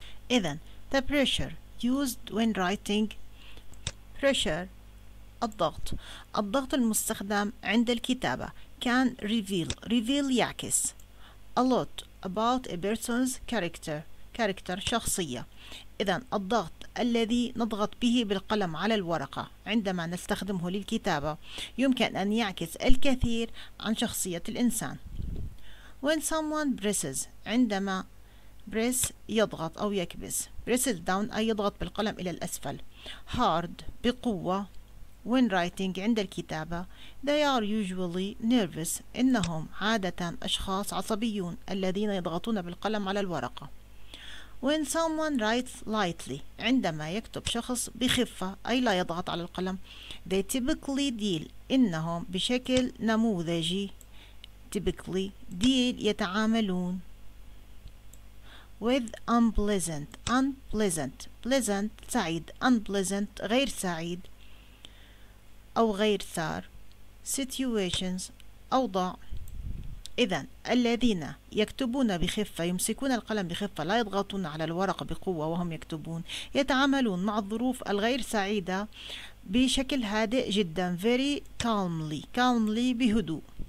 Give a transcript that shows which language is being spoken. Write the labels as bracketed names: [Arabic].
[Arabic] إذن, [English] the pressure used when writing, pressure, [Arabic] الضغط. الضغط المستخدم عند الكتابة [English] can reveal [Arabic] يعكس [English] a lot about a person's character. Character [Arabic] شخصية. إذن الضغط الذي نضغط به بالقلم على الورقة عندما نستخدمه للكتابة يمكن أن يعكس الكثير عن شخصية الإنسان. [English] When someone presses, [Arabic] عندما [English] press [Arabic] يضغط أو يكبس. [English] Press down [Arabic] أي يضغط بالقلم إلى الأسفل. [English] Hard [Arabic] بقوة. [English] When writing [Arabic] عند الكتابة. [English] They are usually nervous. [Arabic] إنهم عادة أشخاص عصبيون الذين يضغطون بالقلم على الورقة. [English] When someone writes lightly, [Arabic] عندما يكتب شخص بخفة أي لا يضغط على القلم. [English] They typically deal, [Arabic] إنهم بشكل نموذجي. [English] Typically deal [Arabic] يتعاملون. [English] With unpleasant, unpleasant, pleasant [Arabic] سعيد, [English] unpleasant [Arabic] غير سعيد أو غير سار. [English] Situations [Arabic] أوضاع. إذن الذين يكتبون بخفة يمسكون القلم بخفة لا يضغطون على الورق بقوة وهم يكتبون يتعاملون مع الظروف الغير سعيدة بشكل هادئ جدا. [English] Very calmly, calmly [Arabic] بهدوء.